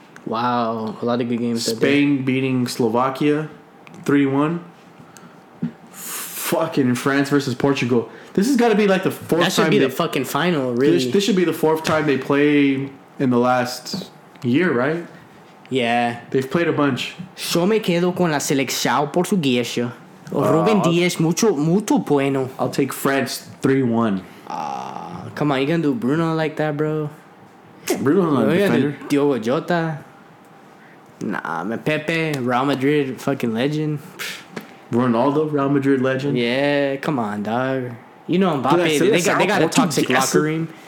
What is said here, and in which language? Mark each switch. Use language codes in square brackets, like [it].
[en] Wow, a lot of good games. Spain beating Slovakia, 3-1. Fucking France versus Portugal. This has got to be like the fourth time. That should be the fucking final, really. This should be the fourth time they play in the last year, right? Yeah. They've played a bunch. [es] Yo me quedo con la selección portuguesa. Ruben Dias, mucho, mucho bueno. [en] I'll take France, 3-1. Come on, you going to do Bruno like that, bro? Bruno's not a defender. Diogo Jota. Nah, man. Pepe, Real Madrid, fucking legend. Ronaldo, Real Madrid legend. Yeah, come on, dog. You know Mbappe, they got a toxic locker room.